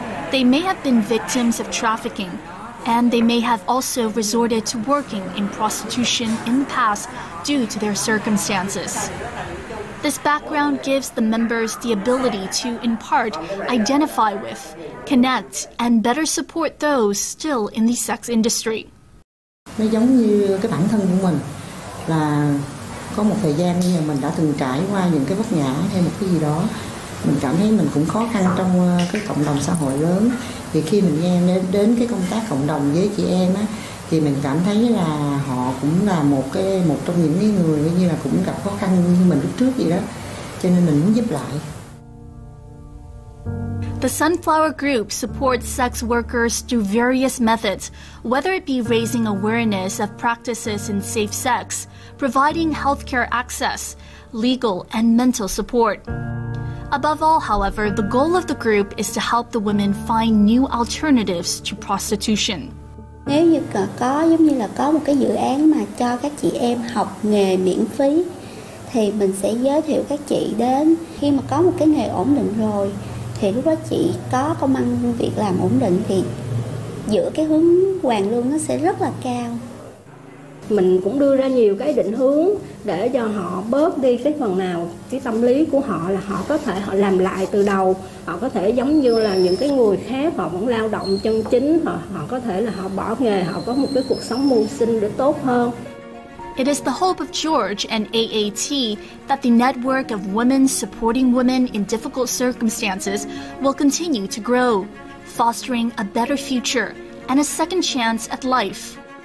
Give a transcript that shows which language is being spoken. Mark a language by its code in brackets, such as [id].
[en] They may have been victims of trafficking, and they may have also resorted to working in prostitution in the past due to their circumstances. This background gives the members the ability to, in part, identify with, connect, and better support those still in the sex industry. [vi] Nó giống như cái bản thân của mình là có một thời gian như mình đã từng trải qua những cái vấp ngã hay một cái gì đó, mình cảm thấy mình cũng khó khăn trong cái cộng đồng xã hội lớn. Thì khi mình nghe đến cái công tác cộng đồng với chị em á, thì mình cảm thấy là họ cũng là một trong những người như là cũng gặp khó khăn như mình lúc trước vậy đó, cho nên mình muốn giúp lại. [en] The Sunflower Group supports sex workers through various methods, whether it be raising awareness of practices in safe sex, providing healthcare access, legal and mental support. Above all, however, the goal of the group is to help the women find new alternatives to prostitution. [vi] Nếu như có giống như là có một cái dự án mà cho các chị em học nghề miễn phí, thì mình sẽ giới thiệu các chị đến khi mà có một cái nghề ổn định rồi, thì lúc đó chị có công ăn việc làm ổn định thì giữa cái hướng hoàn lương nó sẽ rất là cao. Mình cũng đưa ra nhiều cái định hướng để cho họ bớt đi cái phần nào cái tâm lý của họ, là họ có thể họ làm lại từ đầu, họ có thể giống như là những cái người khác, họ vẫn lao động chân chính, họ có thể là họ bỏ nghề, họ có một cái cuộc sống mưu sinh được tốt hơn. [en] It is the hope of George and AAT that the network of women supporting women in difficult circumstances will continue to grow, fostering a better future and a second chance at life.